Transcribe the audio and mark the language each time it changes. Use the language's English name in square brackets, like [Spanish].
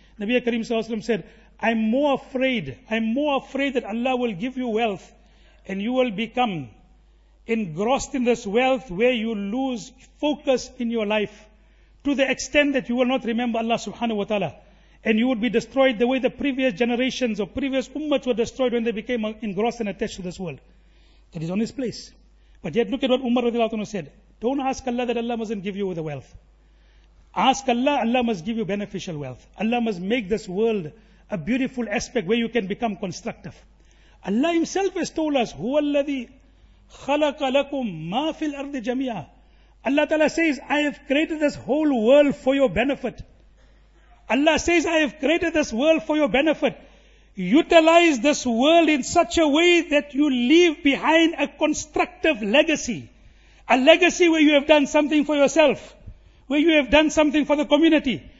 [English] Nabi Kareem Sallallahu Alaihi Wasallam said, I'm more afraid that Allah will give you wealth and you will become engrossed in this wealth where you lose focus in your life to the extent that you will not remember Allah subhanahu wa ta'ala and you would be destroyed the way the previous generations or previous ummats were destroyed when they became engrossed and attached to this world. That is on his place. But yet look at what Umar radiallahu anhu said. Don't ask Allah that Allah mustn't give you the wealth. Ask Allah, Allah must give you beneficial wealth. Allah must make this world a beautiful aspect where you can become constructive. Allah himself has told us, [Arabic] هُوَ الَّذِي خَلَقَ لَكُمْ مَا فِي الْأَرْضِ جَمِيعًا. [English] Allah Ta'ala says, I have created this whole world for your benefit. Allah says, I have created this world for your benefit. Utilize this world in such a way that you leave behind a constructive legacy. A legacy where you have done something for yourself, where you have done something for the community,